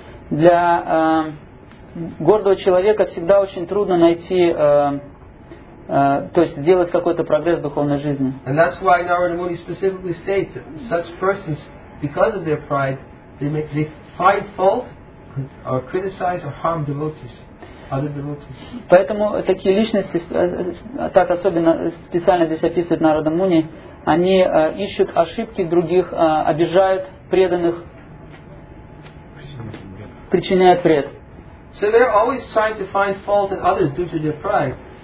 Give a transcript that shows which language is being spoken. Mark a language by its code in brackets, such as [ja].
[ru] Для гордого человека всегда очень трудно найти то есть сделать какой-то прогресс в духовной жизни. [en] And that's why Narada Muni specifically states that such persons, because of their pride, they find fault or criticize or harm devotees, other devotees. [ru] Поэтому такие личности, так особенно специально здесь описывает Narada Muni, они ищут ошибки других, обижают преданных, причиняют вред. [en] So they're always trying to find fault in others due to their pride.